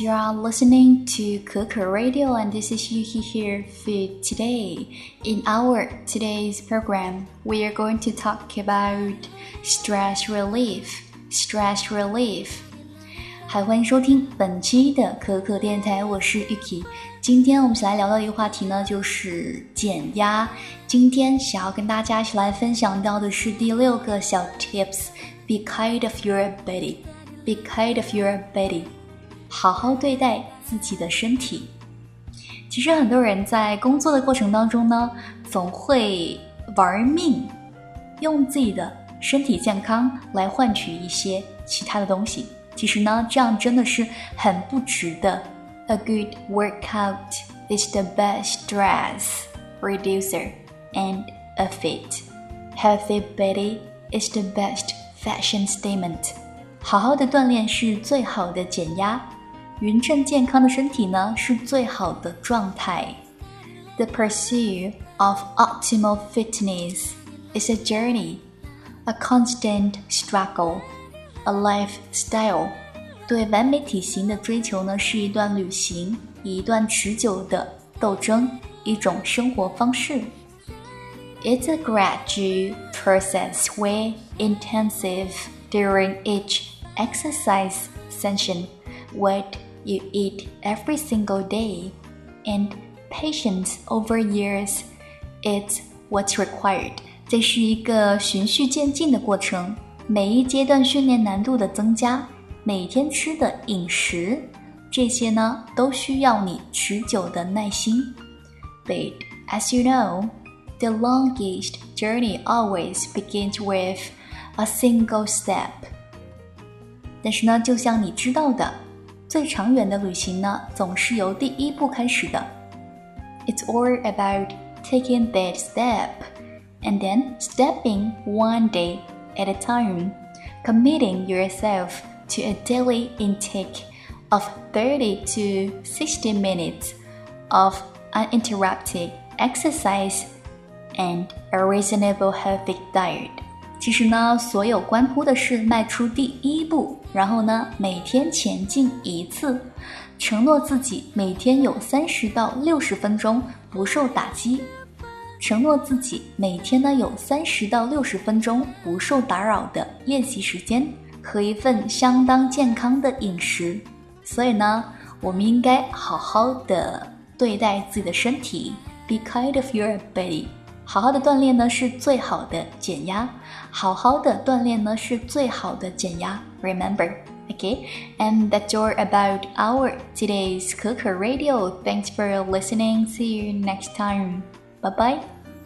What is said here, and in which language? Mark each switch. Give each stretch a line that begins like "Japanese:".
English: You are listening to Kuku Radio, and this is Yuki here for today. In our today's program, we are going to talk about stress relief. Stress relief.
Chinese: 嗨，欢迎收听本期的可可电台，我是 Yuki。今天我们来聊到一个话题呢，就是减压。今天想要跟大家一起来分享到的是第六个小 tips:
English: Be kind of your body. Be kind of your body，
Chinese: 好好对待自己的身体。其实很多人在工作的过程当中呢，总会玩命，用自己的身体健康来换取一些其他的东西。其实呢，这样真的是很不值得。
English: A good workout is the best stress reducer and a fit. Healthy body is the best fashion statement.
Chinese: 好好的锻炼是最好的减压，匀称健康的身体呢是最好的状态。
English: The pursuit of optimal fitness is a journey, a constant struggle, a lifestyle.
Chinese: 对完美体型的追求呢是一段旅行，一段持久的斗争，一种生活方式。
English: It's a gradual process where intensive during each exercise session, what you eat every single day, and patience over years, it's what's required.
Chinese: 这是一个循序渐进的过程，每一阶段训练难度的增加，每天吃的饮食，这些呢，都需要你持久的耐心。
English: But as you know, the longest journey always begins with a single step.
Chinese: 但是呢，就像你知道的，最长远的旅行呢，总是由第一步开始的。
English: It's all about taking that step, and then stepping one day at a time, committing yourself to a daily intake of 30 to 60 minutes of uninterrupted exercise and a reasonable healthy diet.
Chinese: 其实呢，所有关乎的是迈出第一步，然后呢，每天前进一次，承诺自己每天有30到60分钟不受打击，承诺自己每天呢有30到60分钟不受打扰的练习时间和一份相当健康的饮食。所以呢，我们应该好好的对待自己的身体 ，
English: be kind of your body。
Chinese: 好好的锻炼呢是最好的减压，好好的锻炼呢是最好的减压。
English: Remember, okay? And that's all about our today's Kuku Radio. Thanks for listening. See you next time. Bye bye.